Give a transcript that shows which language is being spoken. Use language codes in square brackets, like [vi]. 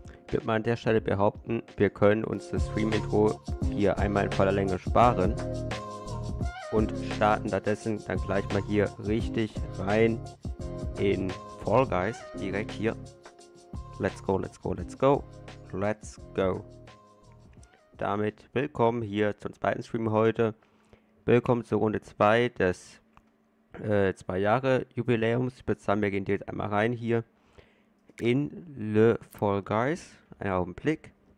[de] Ich würde mal an der Stelle behaupten, wir können uns das Stream-Intro hier einmal in voller Länge sparen und starten stattdessen dann gleich mal hier richtig rein in Fall Guys, direkt hier. [en] Let's go, let's go, let's go, let's go. [de] Damit willkommen hier zum zweiten Stream heute. Willkommen zur Runde 2 des 2-Jahre-Jubiläums. Ich würde sagen, wir gehen jetzt einmal rein hier in Le Fall Guys. Einen Augenblick.